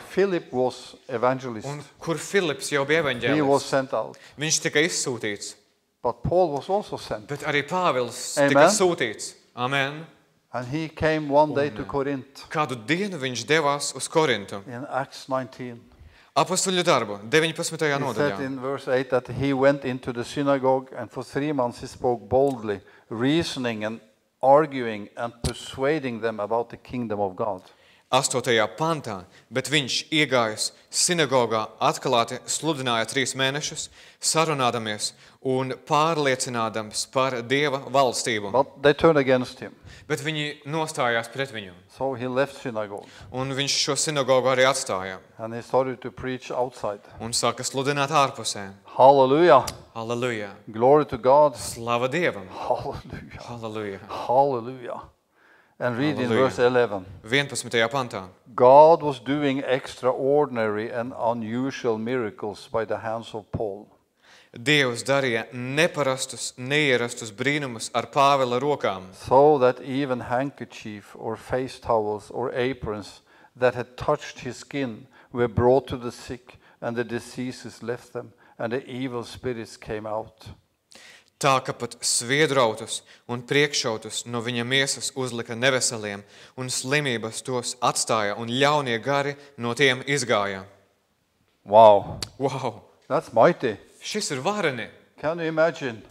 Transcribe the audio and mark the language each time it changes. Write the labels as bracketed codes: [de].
[en] Where Philip was evangelist. [lv] Un kur Filips jau bija evaņģēlists. [en] He was sent out. [lv] Viņš tika izsūtīts. [en] But Paul was also sent. [lv] Bet arī Pāvils Amen. Tika sūtīts. Amen. [en] And he came one day to Corinth. [lv] Kādu dienu viņš devās uz Korintu. [en] In Acts 19. [lv] Apostoļu darbu, 19. nodaļā. [en] He said in verse 8 that he went into the synagogue and for 3 months he spoke boldly, reasoning and arguing and persuading them about the kingdom of God. [lv] 8. Pantā, bet viņš iegājis sinagogā atklāti sludināja 3 mēnešus, sarunādamies un pārliecinādams par Dieva valstību. [en] But they turned against him. [lv] Bet viņi nostājās pret viņu. [en] So he left synagogue. [lv] Un viņš šo sinagogu arī atstāja. [en] And he started to preach outside. [lv] Un sāka sludināt ārpusē. Hallelujah. Hallelujah. [en] Glory to God. [lv] Slava Dievam. Hallelujah. Hallelujah. [en] Hallelujah. And read Hallelujah. In verse 11. [lv] 11. Pantā. [en] God was doing extraordinary and unusual miracles by the hands of Paul. [lv] Dievs darīja neparastus, neierastus brīnumus ar Pāvila rokām. [en] So that even handkerchief or face towels or aprons that had touched his skin were brought to the sick and the diseases left them and the evil spirits came out. [lv] Tā, ka pat sviedrautus un priekšautus no viņa miesas uzlika neveseliem un slimības tos atstāja un ļaunie gari no tiem izgāja. Wow. Wow. [en] That's mighty. [lv] Šis ir vareni. [en] Can you imagine?